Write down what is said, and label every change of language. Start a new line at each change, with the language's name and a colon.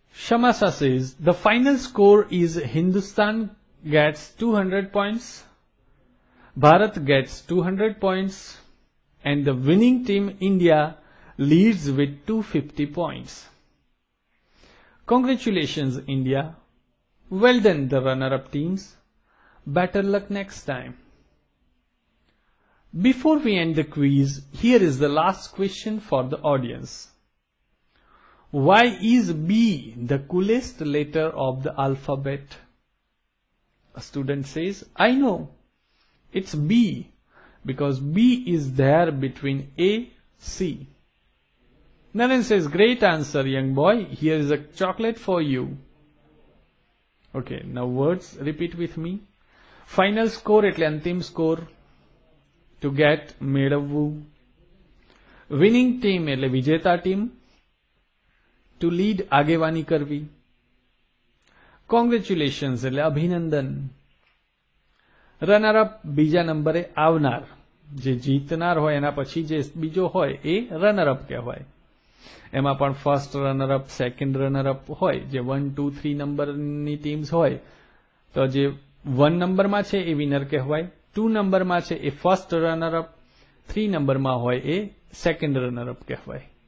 English: શમાશા says, the final score is Hindustan gets 200 points, Bharat gets 200 points, and the winning team India leads with 250 points. Congratulations India, well done the runner up teams, better luck next time. Before we end the quiz, here is the last question for the audience. Why is B the coolest letter of the alphabet? A student says, I know. It's B because B is there between A, C. Naren says, great answer, young boy. Here is a chocolate for you. Okay, now words, repeat with me. Final score, એટલે અંતિમ score. To get, મેળવવું. Winning team, એટલે વિજેતા team.
Gujarati: To lead, આગેવાની કરવી. Congratulations, એટલે અભિનંદન. Runner up, બીજા નંબરે આવનાર, જે જીતનાર હોય એના પછી જે બીજો હોય એ રનર અપ કહેવાય. એમાં પણ first runner up, second runner up હોય, જે 1, 2, 3 નંબરની ટીમ્સ હોય, તો જે 1 નંબરમાં છે એ વિનર કહેવાય, 2 નંબરમાં છે એ ફર્સ્ટ રનર અપ, 3 નંબરમાં હોય એ સેકન્ડ રનર અપ કહેવાય.